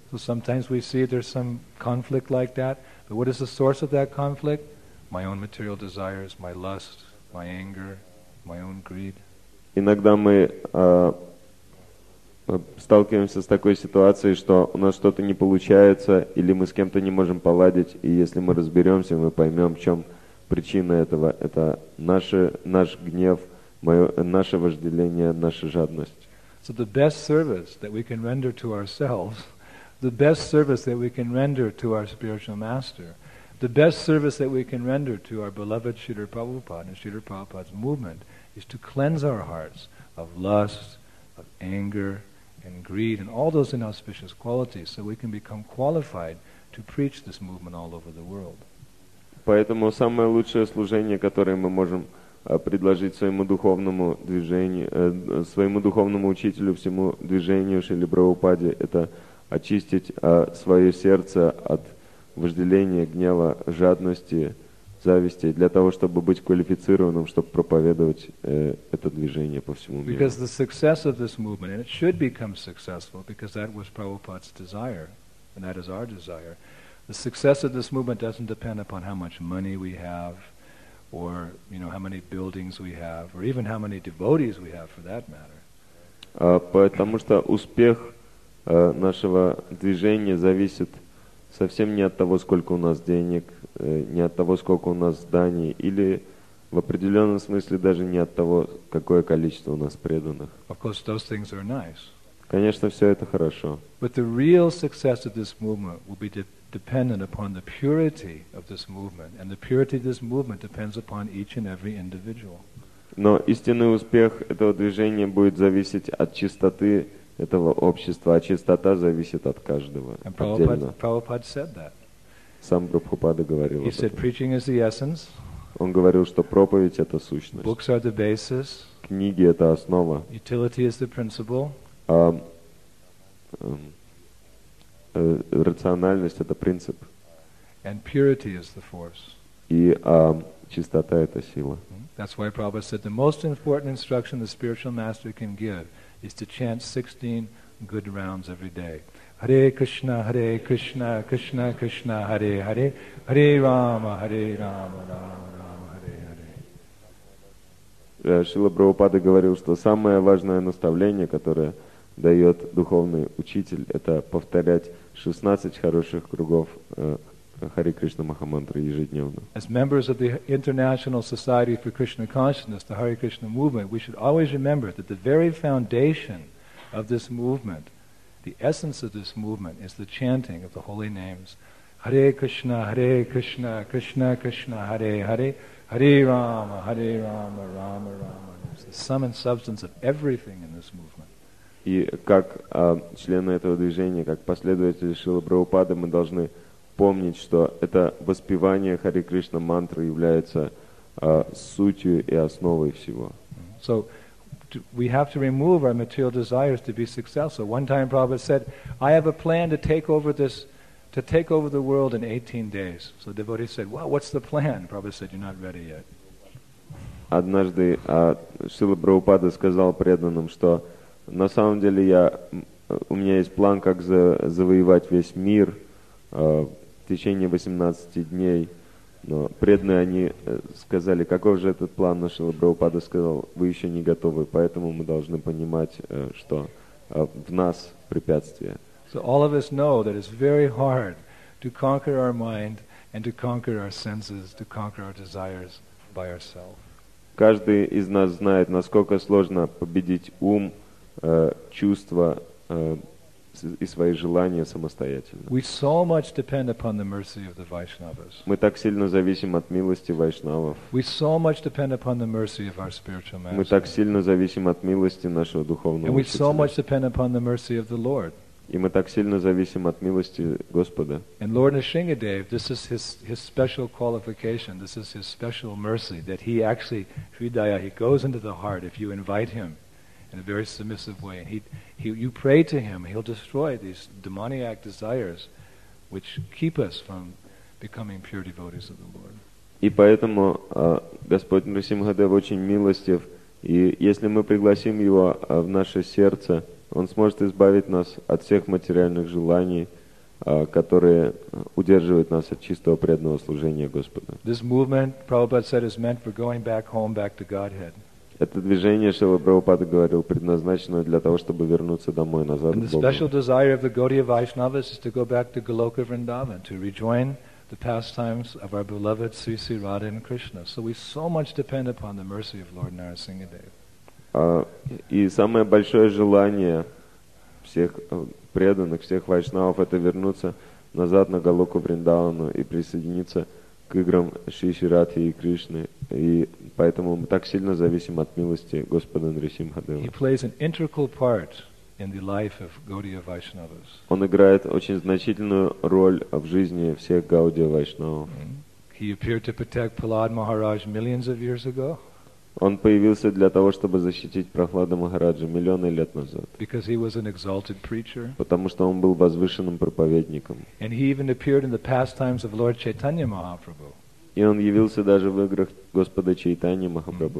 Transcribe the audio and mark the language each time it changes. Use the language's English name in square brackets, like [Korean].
[English] So sometimes we see there's some conflict like that, but what is the source of that conflict? My own material desires, my lust, my anger, my own greed. [Russian] Иногда мы сталкиваемся с такой ситуацией, что у нас что-то не получается, или мы с кем-то не можем поладить, и если мы разберемся, мы поймем, в чем причина этого. Это наш гнев, наше вожделение, наша жадность. [English] So the best service that we can render to ourselves, the best service that we can render to our spiritual master, the best service that we can render to our beloved Srila Prabhupada and Srila Prabhupada's movement is to cleanse our hearts of lust, of anger, and greed, and all those inauspicious qualities, so we can become qualified to preach this movement all over the world. [Russian] Поэтому самое лучшее служение, которое мы можем предложить своему духовному движению, своему духовному учителю, всему движению Шрилы Прабхупады, это очистить свое сердце от вожделения, гнева, жадности, зависти, для того, чтобы быть квалифицированным, чтобы проповедовать это движение по всему миру. [English] Because the success of this movement, and it should become successful, because that was Prabhupada's desire, and that is our desire. The success of this movement doesn't depend upon how much money we have, or you know, how many buildings we have, or even how many devotees we have, for that matter. [Russian] Потому что успех нашего движения зависит совсем не от того, сколько у нас денег, не от того, сколько у нас зданий, или в определенном смысле даже не от того, какое количество у нас преданных. [English] Of course, those things are nice. [Russian] Конечно, все это хорошо. [English] But the real success of this movement will be dependent upon the purity of this movement, and the purity of this movement depends upon each and every individual. [Russian] Но истинный успех этого движения будет зависеть от чистоты этого общества, а чистота зависит от каждого отдельно. [English] Prabhupada said that. [Russian] Сам Прабхупада говорил об этом. [English] He said, preaching is the essence. [Russian] Он говорил, что проповедь — это сущность. [English] Books are the basis. [Russian] Книги — это основа. [English] Utility is the principle. [Russian] Рациональность — это принцип. [English] And purity is the force. [Russian] И чистота — это сила. [English] That's why Prabhupada said, the most important instruction the spiritual master can give is to chant 16 good rounds every day. Hare Krishna, Hare Krishna, Krishna Krishna, Hare Hare, Hare Rama, Hare Rama, Rama Rama, Hare Hare. [Russian] Шрила Прабхупада говорил, что самое важное наставление, которое дает духовный учитель, это повторять 16 хороших кругов Hare Krishna Mahamantra ежедневно. [English] As members of the International Society for Krishna Consciousness, the Hare Krishna movement, we should always remember that the very foundation of this movement, the essence of this movement, is the chanting of the holy names Hare Krishna, Hare Krishna, Krishna Krishna, Hare Hare, Hare Rama, Hare Rama, Rama Rama. It's the sum and substance of everything in this movement. [Russian] И как члены этого движения, как последователи Шрилы Прабхупады, мы должны помнить, что это воспевание Харе Кришна мантры является сутью и основой всего. [English] So we have to remove our material desires to be successful. One time Prabhupada said, I have a plan to take over this, to take over the world in 18 days. So the devotee said, well, what's the plan? Prabhupada said, you're not ready yet. [Russian] Однажды Шрила Прабхупада сказал преданным, что на самом деле я у меня есть план, как завоевать весь мир в течение 18 дней. Но преданные, они сказали, каков же этот план? Но Шрила Прабхупада сказал, вы еще не готовы, поэтому мы должны понимать, что в нас препятствия. [English] So all of us know that it's very hard to conquer our mind and to conquer our senses, to conquer our desires by ourselves. [Russian] Каждый из нас знает, насколько сложно победить ум, чувства и свои желания самостоятельно. [English] We so much depend upon the mercy of the Vaishnavas. [Russian] Мы так сильно зависим от милости вайшнавов. [English] We so much depend upon the mercy of our spiritual master. [Russian] Мы так сильно зависим от милости нашего духовного учителя. [English] And we so much depend upon the mercy of the Lord. [Russian] И мы так сильно зависим от милости Господа. [English] And Lord Nrisimhadev, this is his special qualification, this is his special mercy, that he actually, Hridaya, he goes into the heart if you invite him in a very submissive way. And you pray to him, he'll destroy these demoniac desires which keep us from becoming pure devotees of the Lord. [Russian] И поэтому Господь Нрисимхадев очень милостив, и если мы пригласим его в наше сердце, Он сможет избавить нас от всех материальных желаний, которые удерживают нас от чистого преданного служения Господу. [English] This movement, Prabhupada said, is meant for going back home, back to Godhead. [Russian] Это движение, что Прабхупада говорил, предназначено для того, чтобы вернуться домой, назад к Богу. [English] And the special desire of the Gaudiya Vaishnavas is to go back to Goloka Vrindavan, to rejoin the pastimes of our beloved Sri Sri Radha and Krishna. So we so much depend upon the mercy of Lord Narasimhadev. [Russian] И самое большое желание всех преданных, всех вайшнавов, это вернуться назад на Голоку Вриндавану и присоединиться к играм Шри Шри Радхи и Кришны. И поэтому мы так сильно зависим от милости Господа Нрисимхадева. [English] He plays an integral part in the life of Gaudiya Vaishnavas. [Russian] Он играет очень значительную роль в жизни всех Гаудия Вайшнавов. [English] He appeared to protect Prahlad Maharaj millions of years ago. [Russian] Он появился для того, чтобы защитить Прахлада Махараджа миллионы лет назад. [English] Because he was an exalted preacher. [Russian] Потому что он был возвышенным проповедником. [English] And he even appeared in the pastimes of Lord Chaitanya Mahaprabhu. [Russian] И он явился даже в играх Господа Чайтаньи Махапрабху.